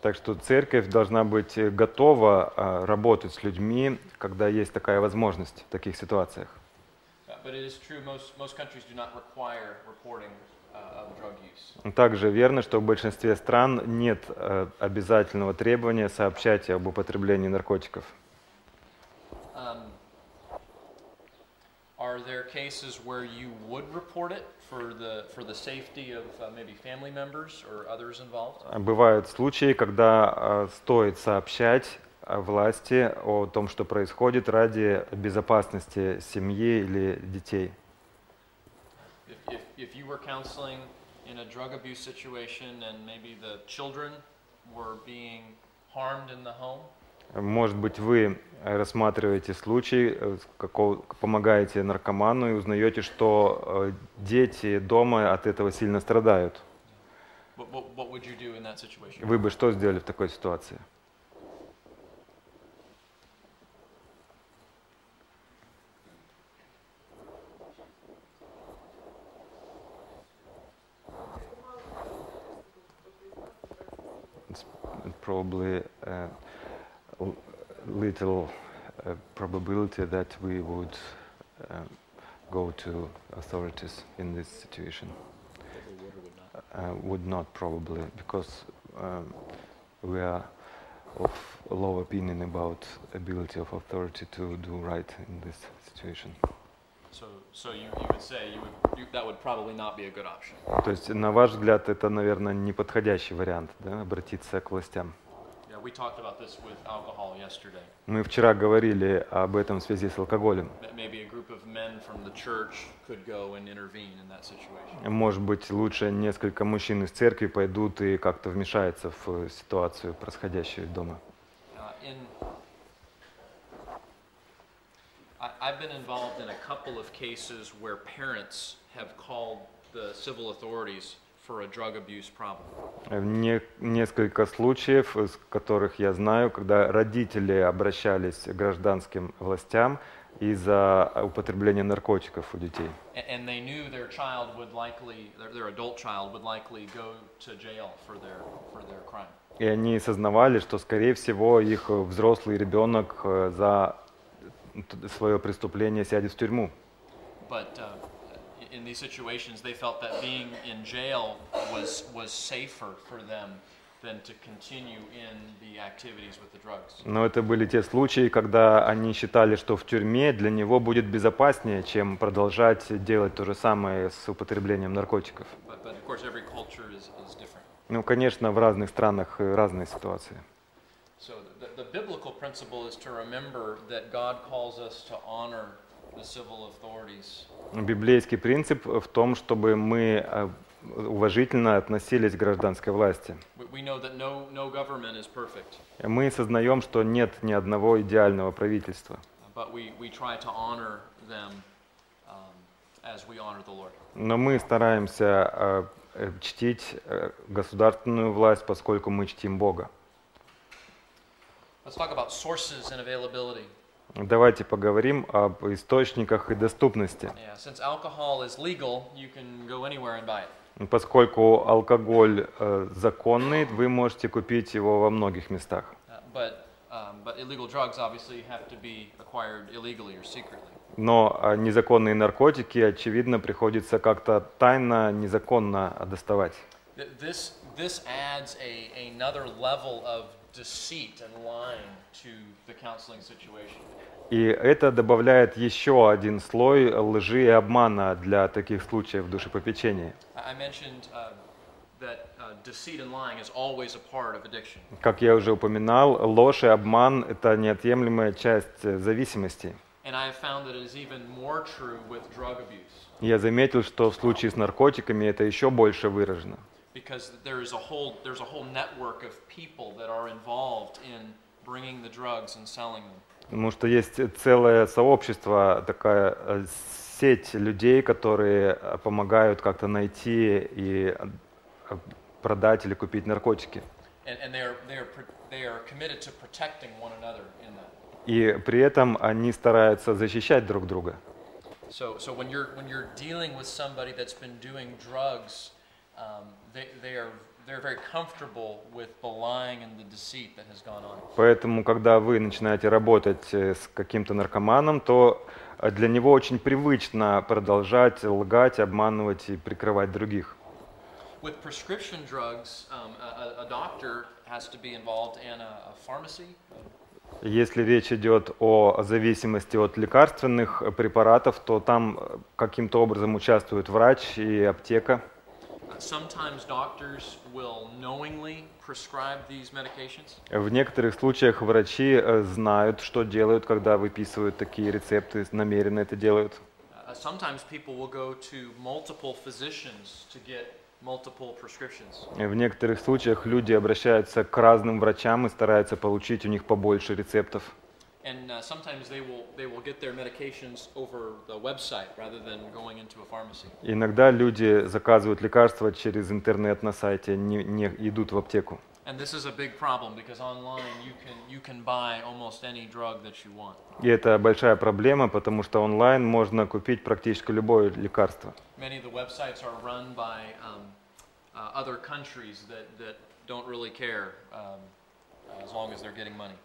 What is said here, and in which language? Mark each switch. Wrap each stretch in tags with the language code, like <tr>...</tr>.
<ru>Так что церковь должна быть готова работать с людьми, когда есть такая возможность в таких ситуациях.</ru> <en>But it is true most countries do not require reporting of drug use.</en> <ru>Также верно, что в большинстве стран нет обязательного требования сообщать об употреблении наркотиков.</ru> <en>Are there cases where you would report it for the safety of maybe family members or others involved?</en> <ru>Бывают случаи, когда стоит сообщать власти о том, что происходит, ради безопасности семьи или детей.</ru> <en>If you were counseling in a drug abuse situation and maybe the children were being harmed in the home?</en> <ru>Может быть, вы рассматриваете случай, помогаете наркоману и узнаете, что дети дома от этого сильно страдают.</ru> <en>What would you do in that situation?</en> <ru>Вы бы что сделали в такой ситуации?</ru> <en>Probably a little probability that we would go to authorities in this situation. Would not probably, because we are of low opinion about ability of authority to do right in this situation. So you would say that would probably not be a good option.</en> <ru>То есть на ваш взгляд это, наверное, неподходящий вариант, да, обратиться к властям.</ru> <en>Yeah, we talked about this with alcohol yesterday.</en> <ru>Мы вчера говорили об этом в связи с алкоголем.</ru> <en>Maybe a group of men from the church could go and intervene in that situation.</en> <ru>Может быть, лучше несколько мужчин из церкви пойдут и как-то вмешаются в ситуацию, происходящую дома.</ru> <en>I've been involved in a couple of cases where parents have called the civil authorities for a drug abuse problem.</en> <ru>Несколько случаев, из которых я знаю, когда родители обращались к гражданским властям из-за употребления наркотиков у детей.</ru> <en>And they knew their child would likely, their adult child would likely go to jail for their crime.</en> <ru>И они сознавали, что скорее всего их взрослый ребенок за свое преступление сядет в тюрьму.</ru> <en>But in these situations they felt that being in jail was safer for them than to continue in the activities with the drugs.</en> <ru>Но это были те случаи, когда они считали, что в тюрьме для него будет безопаснее, чем продолжать делать то же самое с употреблением наркотиков.</ru> <en>But of course every culture is different.</en> <ru>Ну, конечно, в разных странах разные ситуации.</ru> <en>So the biblical principle is to remember that God calls us to honor the civil authorities.</en> <ru>Библейский принцип в том, чтобы мы уважительно относились к гражданской власти.</ru> <en>We know that no government is perfect.</en> <ru>Мы сознаем, что нет ни одного идеального правительства.</ru> <en>But we try to honor them as we honor the Lord.</en> <ru>Но мы стараемся чтить государственную власть, поскольку мы чтим Бога.</ru> <en>Let's talk about sources and availability.</en> <ru>Давайте поговорим об источниках и доступности.</ru> <en>Yeah, since alcohol is legal, you can go anywhere and buy it.</en> <ru>Поскольку алкоголь законный, вы можете купить его во многих местах.</ru> <en>But illegal drugs obviously have to be acquired illegally or secretly.</en> <ru>Но незаконные наркотики, очевидно, приходится как-то тайно, незаконно доставать.</ru> <en>This adds another level of deceit and lying to the counseling situation.</en> <ru>И это добавляет еще один слой лжи и обмана для таких случаев душепопечения.</ru> <en>I mentioned that deceit and lying is always a part of addiction.</en> <ru>Как я уже упоминал, ложь и обман — это неотъемлемая часть зависимости.</ru> <en>And I have found that it is even more true with drug abuse.</en> <ru>Я заметил, что в случае с наркотиками это еще больше выражено.</ru> <en>Because there's a whole network of people that are involved in bringing the drugs and selling them.</en> <ru>Потому что есть целое сообщество, такая сеть людей, которые помогают как-то найти и продать или купить наркотики.</ru> <en>And they are committed to protecting one another in that.</en> <ru>И при этом они стараются защищать друг друга.</ru> <en>So when you're dealing with somebody that's been doing drugs, they're very comfortable with the lying and the deceit that has gone on.</en> <ru>Поэтому, когда вы начинаете работать с каким-то наркоманом, то для него очень привычно продолжать лгать, обманывать и прикрывать других.</ru> <en>With prescription drugs, a doctor has to be involved in a pharmacy.</en> <ru>Если речь идет о зависимости от лекарственных препаратов, то там каким-то образом участвует врач и аптека.</ru> <en>Sometimes doctors will knowingly prescribe these medications.</en> <ru>В некоторых случаях врачи знают, что делают, когда выписывают такие рецепты, намеренно это делают.</ru> <en>Sometimes people will go to multiple physicians to get multiple prescriptions.</en> <ru>В некоторых случаях люди обращаются к разным врачам и стараются получить у них побольше рецептов.</ru> <en>And sometimes they will get their medications over the website rather than going into a pharmacy.</en> <ru>Иногда люди заказывают лекарства через интернет на сайте, не идут в аптеку.</ru> <en>And this is a big problem because online you can buy almost any drug that you want.</en> <ru>И это большая проблема, потому что онлайн можно купить практически любое лекарство.</ru> <en>Many of the websites are run by other countries that don't really care. As long as they're getting money.</en>